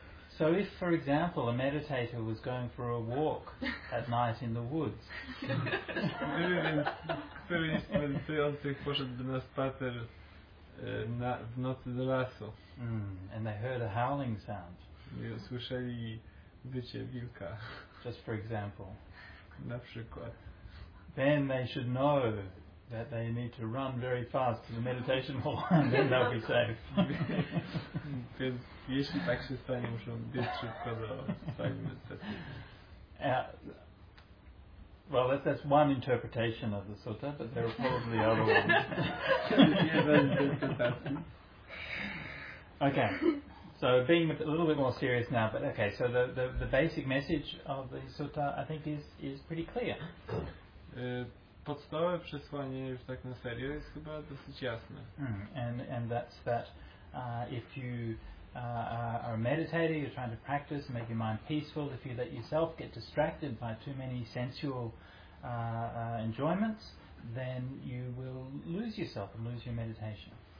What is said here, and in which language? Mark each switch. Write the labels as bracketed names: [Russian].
[English] So if, for example, a meditator was going for a walk at night in the woods. [Polish] Gdyby więc któryś z medytujących poszedłby na spacer w nocy do lasu. [English] And they heard a howling sound. [Polish] I usłyszeli wycie wilka. [English] Just for example. [Polish] Na przykład. [English] Then they should know that they need to run very fast to the meditation hall and then they'll be safe. [Polish] Więc jeśli tak się stanie, muszą biec szybko do sali medytacyjnej. [English] Well, that's one interpretation of the sutta, but there are probably other ones. [Polish] Jeden interpretacji. [English] Okay. So being a little bit more serious now, but okay, so the basic message of the sutta, I think, is pretty clear. [Polish] Podstawowe przesłanie, już tak na serio, jest chyba dosyć jasne. [English] And that's that if you are a meditator, you're trying to practice, make your mind peaceful, if you let yourself get distracted by too many sensual enjoyments, then you will lose yourself and lose your meditation.